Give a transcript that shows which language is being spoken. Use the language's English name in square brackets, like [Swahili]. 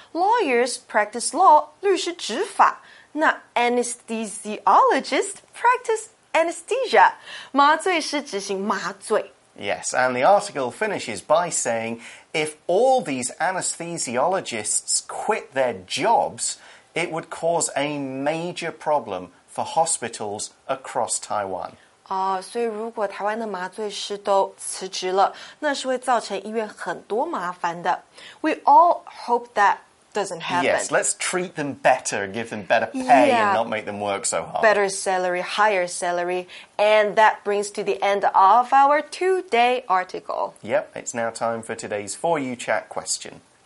[English] Lawyers practice law, [Chinese] 律师执法。 [English] 那 anesthesiologists practice anesthesia, [Chinese] 麻醉师执行麻醉。 [English] Yes, and the article finishes by saying, if all these anesthesiologists quit their jobs, it would cause a major problem for hospitals across Taiwan. [Chinese] 所以如果台湾的麻醉师都辞职了，那是会造成医院很多麻烦的。 [English] We all hope that doesn't happen. Yes, let's treat them better, give them better pay, yeah, and not make them work so hard. Better salary, higher salary. And that brings to the end of our two-day article. Yep, it's now time for today's For You Chat question.